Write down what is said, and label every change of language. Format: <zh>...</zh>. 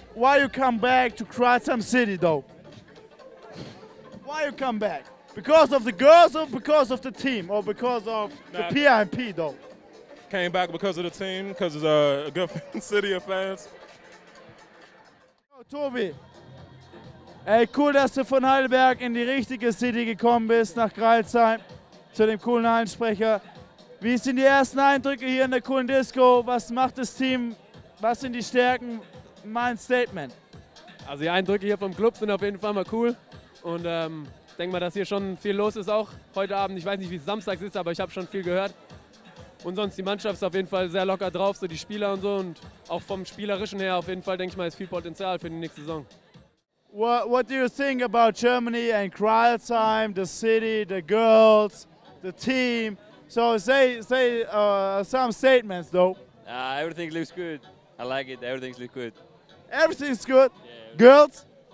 <en>Why you come back to Crescent City, though? Why you come back? Because of the girls or because of the team or because of the PIMP, though? Came back because of the team, because it's a good city of fans. Oh, Tobi.</en> <de>Ey, cool, dass du von Heidelberg in die richtige City gekommen bist, nach Crailsheim, zu dem coolen Hallensprecher. Wie sind die ersten Eindrücke hier in der coolen Disco? Was macht das Team? Was sind die Stärken? Mein Statement. Also die Eindrücke hier vom Club sind auf jeden Fall mal cool. Und denk mal, dass hier schon viel los ist auch heute Abend. Ich weiß nicht, wie es samstags ist, aber ich habe schon viel gehört. Und sonst, die Mannschaft ist auf jeden Fall sehr locker drauf, so die Spieler und so. Und auch vom Spielerischen her auf jeden Fall, denke ich mal, ist viel Potenzial für die nächste Saison.</de> <en>What do you think about Germany and Crailsheim, the city, the girls, the team? So say some statements, though. Everything looks good. I like it. Everything looks good. Everything's good. Yeah, girls,</en>